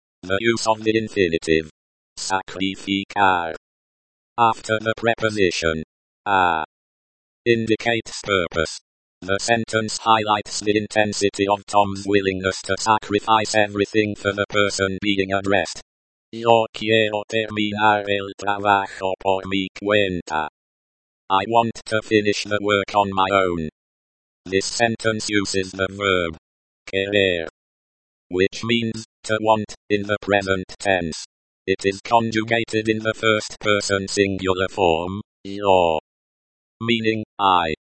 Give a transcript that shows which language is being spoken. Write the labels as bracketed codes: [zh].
[en] The use of the infinitive sacrificar after the preposition a indicates purpose. The sentence highlights the intensity of Tom's willingness to sacrifice everything for the person being addressed. [es] Yo quiero terminar el trabajo por mi cuenta. [en] I want to finish the work on my own. This sentence uses the verb querer, which means to want, in the present tense. It is conjugated in the first person singular form, yo, meaning I.